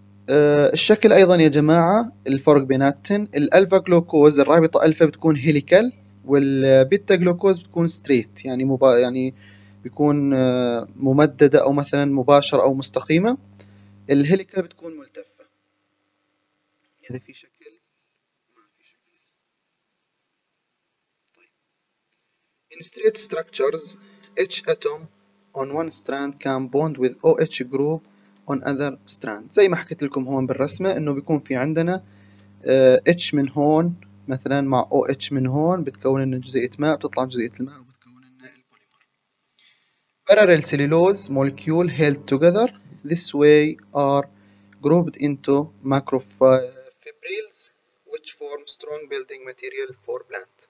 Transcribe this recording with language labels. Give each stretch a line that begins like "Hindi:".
Arabic: الشكل أيضا يا جماعة الفرق بيناتهن، الألفا جلوكوز الرابطة ألفا بتكون هيليكال، والبيتا جلوكوز بتكون ستريت، يعني بيكون ممددة أو مثلا مباشرة أو مستقيمة. الهيليكال بتكون ملتفة إذا في شكل.
English: In straight structures, each atom on one strand can bond with OH group on other strand.
Arabic: زي ما حكيت لكم هون بالرسمة انه بيكون في عندنا H من هون مثلا مع OH من هون، بتكون لنا جزيئة ماء، بتطلع جزيئة الماء وبتكون لنا البوليمر.
English: Parallel cellulose molecule held together this way are grouped into macrofibrils which form strong building material for plant.